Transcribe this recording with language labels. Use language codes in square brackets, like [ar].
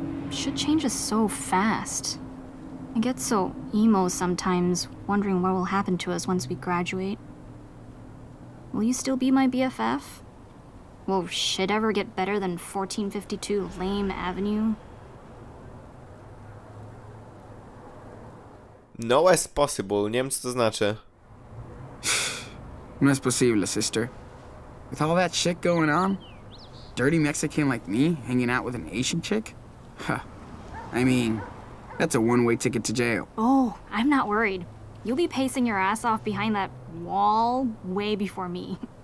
[en] Shit changes so fast. I get so emo sometimes, wondering what will happen to us once we graduate. Will you still be my BFF? Will shit ever get better than 1452 Lame Avenue? [es] No es posible, [pl] nie wiem co to znaczy. [es] No es posible, sister. [en] With all that shit going on, dirty Mexican like me hanging out with an Asian chick? Huh. I mean, that's a one-way ticket to jail. Oh, I'm not worried. You'll be pacing your ass off behind that wall way before me.